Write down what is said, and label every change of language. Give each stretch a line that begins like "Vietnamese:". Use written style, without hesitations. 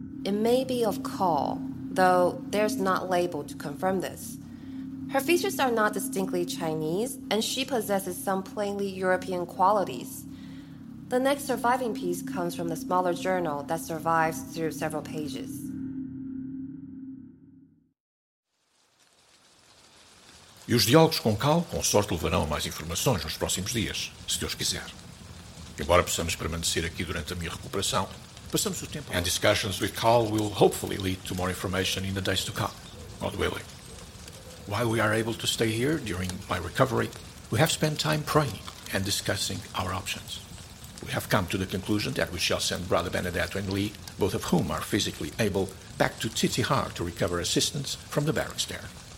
English: It may be of Carl, though there's not label to confirm this. Her features are not distinctly Chinese, and she possesses some plainly European qualities. The next surviving piece comes from the smaller journal that survives through several pages.
Portuguese: E os diálogos com Cal, com sorte, levarão a mais informações nos próximos dias, se Deus quiser. Embora possamos permanecer aqui durante a minha recuperação, passamos o tempo.
English: And discussions with Cal will hopefully lead to more information in the days to come. God willing. While we are able to stay here during my recovery, we have spent time praying and discussing our options. We have come to the conclusion that we shall send Brother Benedetto and Li, both of whom are physically able, back to Titihar to recover assistance from the barracks there.